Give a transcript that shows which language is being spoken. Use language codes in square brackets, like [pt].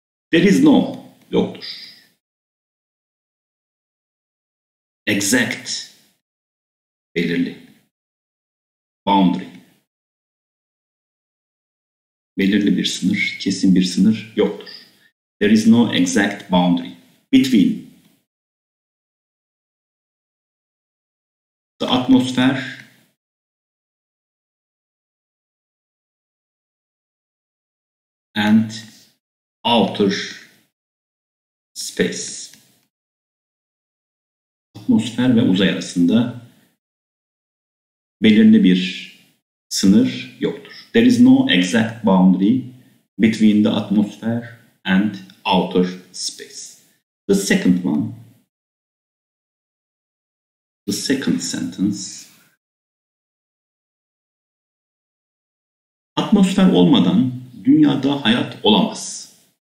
[en] There is no, [tr] yoktur. [en] Exact, [tr] belirli. Boundary, belirli bir sınır, kesin bir sınır yoktur. [en] There is no exact boundary between the atmosphere and outer space. [tr] Atmosfer ve uzay arasında belirli bir sınır yoktur. [en] There is no exact boundary between the atmosphere and outer space. The second one, the second sentence. [tr] Atmosfer olmadan dünyada hayat olamaz.